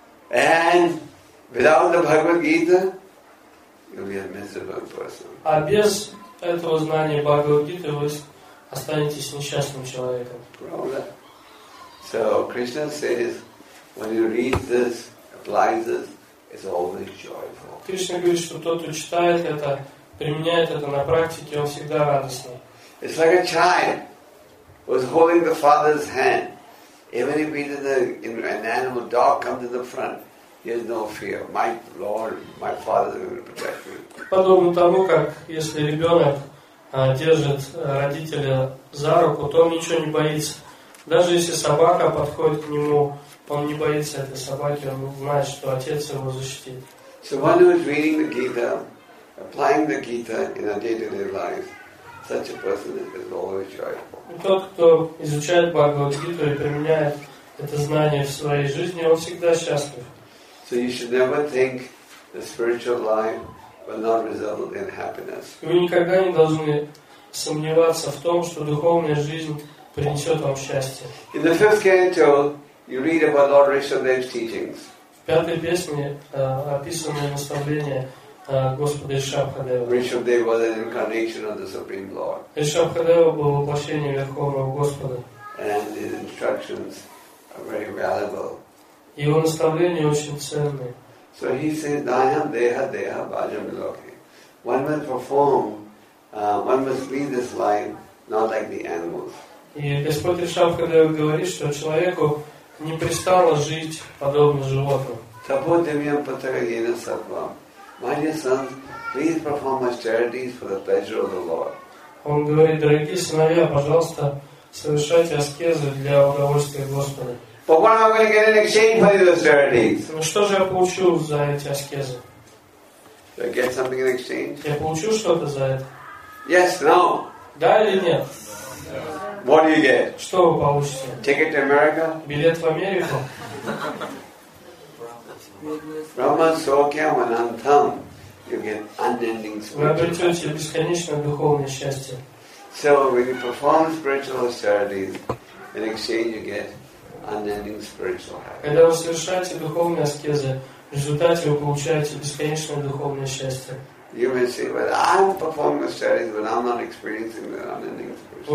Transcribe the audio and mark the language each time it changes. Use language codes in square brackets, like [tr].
[en] And without the Bhagavad-gita, you'll be a miserable person. [ru] А без этого знания Бхагавад-гиты вы останетесь несчастным человеком. Правда? [en] So Krishna says, When you read this, apply this, it's always joyful. [ru] Кришна говорит, что тот, кто читает это, применяет это на практике, он всегда радостный. [en] It's like a child who is holding the father's hand. Even if he's in an animal, dog comes to the front, he has no fear. My Lord, my father is going to protect me. [ru] Подобно тому, как если ребенок держит родителя за руку, то он ничего не боится. Даже если собака подходит к нему, он не боится этой собаки, он знает, что отец его защитит. [en] So one who is reading the Gita, applying the Gita in a day-to-day life, such a person is always joyful. [ru] Тот, кто изучает Бхагавад-гиту и применяет это знание в своей жизни, он всегда счастлив. [en] So you should never think the spiritual life will not result in happiness. [ru] Вы никогда не должны сомневаться в том, что духовная жизнь принесет вам счастье. [en] In the fifth canto, you read about Lord Rishabhdev's teachings. [ru] В пятой песне описаны наставления Господа Ришабхадева. [en] Rishabhdev was an incarnation of the Supreme Lord. [ru] Ришабхадева был воплощением Верховного Господа. [en] And his instructions are very valuable. [ru] Его наставления очень ценные. [en] So he says, [sa] Dayam Deha Deha Bhajam Loki. [en] One must perform, one must lead this life not like the animals. [ru] И Господь Ришабхадева говорит, что человеку не пристало жить подобно животным. [sa] Таподемьям Патарагена Сапвам. [en] My dear sons, please perform austerities for the pleasure of the Lord. [ru] Он говорит, дорогие сыновья, пожалуйста, совершайте аскезы для удовольствия Господа. [en] But what am I going to get in exchange for these austerities? [ru] Ну что же я получу за эти аскезы? [en] Do I get something in exchange? [ru] Я получу что-то за это? [en] Yes, no. [ru] Да или нет? [en] What do you get? [ru] Что вы получите? [en] Ticket to America? [ru] Билет в Америку? [sa] Brahma Sokyam Anantam, [en] you get unending spiritual. So when you perform spiritual austerities, in exchange you get unending spiritual happiness. [ru] Когда вы совершаете духовные аскезы, в результате вы получаете бесконечное духовное счастье. [en] You may say, "Well, I'm performing austerities, but I'm not experiencing the unending spiritual."